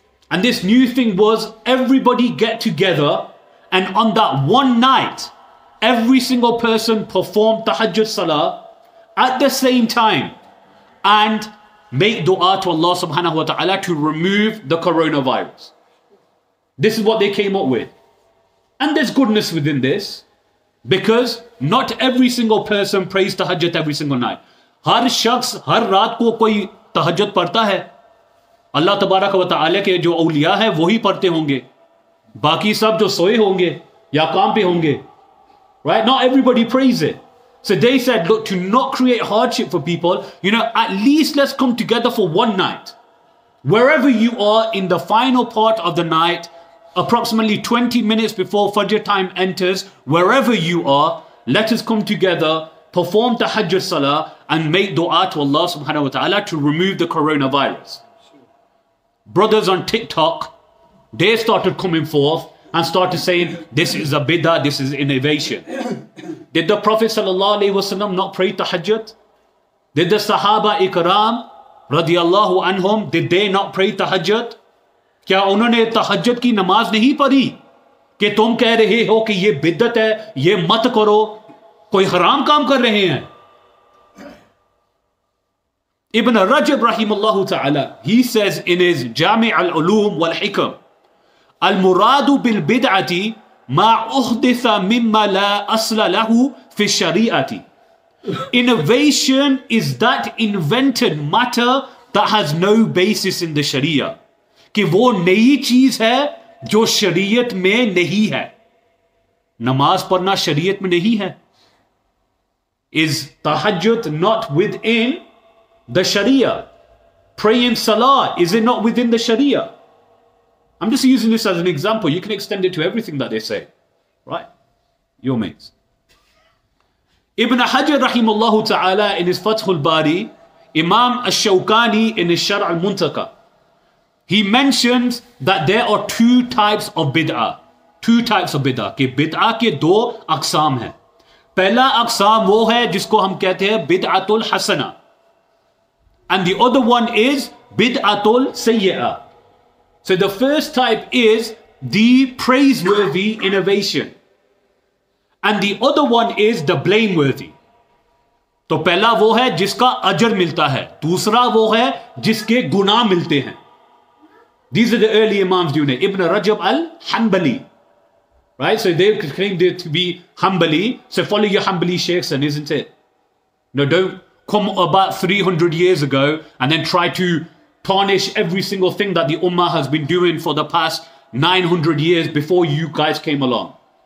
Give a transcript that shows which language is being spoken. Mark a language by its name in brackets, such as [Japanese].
[English] And this new thing was everybody get together, and on that one night, every single person performed tahajjud salah at the same time and make dua to Allah subhanahu wa ta'ala to remove the coronavirus. This is what they came up with. And there's goodness within this, because not every single person prays tahajjud every single night. [Urdu] ہر شخص ہر رات کو کوئی تہجد پڑھتا ہے، اللہ تبارک و تعالی کے جو اولیاء ہیں وہی پڑھتے ہوں گے، باقی سب جو سوئے ہوں گے یا کام پہ ہوں گے، [English] right? Not everybody prays it. So they said, look, to not create hardship for people, you know, at least let's come together for one night. Wherever you are in the final part of the night, approximately 20 minutes before Fajr time enters, wherever you are, let us come together, perform tahajjud salah, and make dua to Allah subhanahu wa ta'ala to remove the coronavirus. Brothers on TikTok, they started coming forth and started saying, this is a bidah, this is innovation. Did the Prophet sallallahu alayhi wasallam not pray tahajjud? Did the Sahaba ikram radiallahu anhum, did they not pray tahajjud? [Urdu] کیا انہوں نے تہجد کی نماز نہیں پڑھی کہ تم کہہ رہے ہو کہ یہ بدعت ہے، یہ مت کرو، کوئی حرام کام کر رہے ہیں؟ ابن رجب رحم اللہ تعالی، [English] he says in his [Urdu] جامع العلوم والحکم، [Arabic] المراد بالبدعة ما احدث مما لا اصل له فی الشریعت. [English] Innovation is that invented matter that has no basis in the sharia. [Urdu] کہ وہ نئی چیز ہے جو شریعت میں نہیں ہے. نماز پڑھنا شریعت میں نہیں ہے. [English] Is tahajjud not within the sharia? Praying salah, is it not within the sharia? I'm just using this as an example. You can extend it to everything that they say, right? Your mates. Ibn Hajar rahimullahu ta'ala in his Fathul Bari, Imam Ash-Shawkani in his Shar' al-Muntaka, he mentions that there are two types of bid'ah. Two types of bid'ah. [Urdu] کہ بدعہ کے دو اقسام ہیں. پہلا اقسام وہ ہے جس کو ہم کہتے ہیں بدعت الحسنہ. [English] And the other one is بدعت السیئہ. So the first type is the praiseworthy innovation. And the other one is the blameworthy. [Urdu] تو پہلا وہ ہے جس کا اجر ملتا ہے. دوسرا وہ ہے جس کے گناہ ملتے ہیں. [English] These are the early Imams doing it. Ibn Rajab al-Hanbali. Right? So they claimed it to be Hanbali. So follow your Hanbali sheikhs then, isn't it? No, don't come about 300 years ago and then try to tarnish every single thing that the Ummah has been doing for the past 900 years before you guys came along.